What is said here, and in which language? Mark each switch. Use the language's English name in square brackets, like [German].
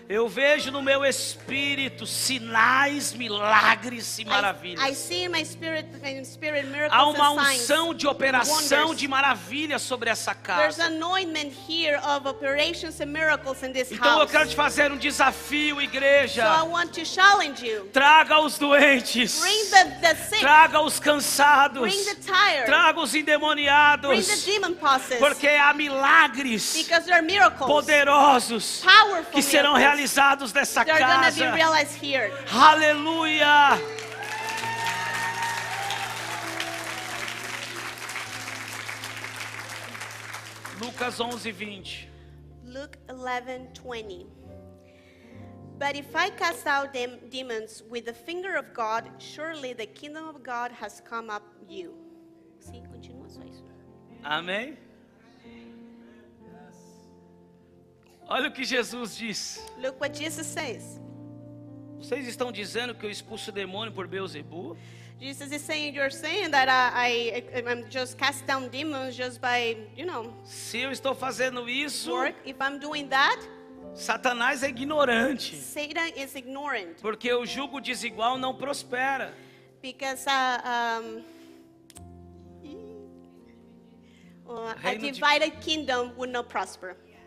[Portuguese] Eu vejo no meu espírito sinais, milagres e maravilhas. [English] I see in my spirit miracles. [Portuguese] Há uma unção de operação de maravilha sobre essa casa. [English] There's an anointment here of operations and miracles in this house. [Portuguese] Então eu quero te fazer um desafio, igreja. [English] So I want to challenge you. [Portuguese] Traga os doentes. [English] Bring the sick. [Portuguese] Traga os cansados. [English] Bring the tired. [Portuguese] Traga os endemoniados. [English] Bring the demon possessed. [Portuguese] Porque há milagres. [English] Because there are miracles. [Portuguese] Poderosos. [English] Powerful. [Portuguese] Que serão realizados nessa casa. [English] They're going to be realized here. [Portuguese] Aleluia. Lucas 11:20. [English] Luke 11:20. But if I cast out demons with the finger of God, surely the kingdom of God has come up you. [Portuguese] Sim, continua só isso. Amém? Olha o que Jesus diz. [English] Look what Jesus says. [Portuguese] Vocês estão dizendo que eu expulso o demônio por Beelzebub? [English] Jesus is saying, you're saying that I'm just cast down demons just by, you know. [Portuguese] Se eu estou fazendo isso. [English] Work, if I'm doing that. [Portuguese] Satanás é ignorante. [English] Satan is ignorant. [Portuguese] Porque o jugo desigual não prospera. [English] Because a divided kingdom would not prosper.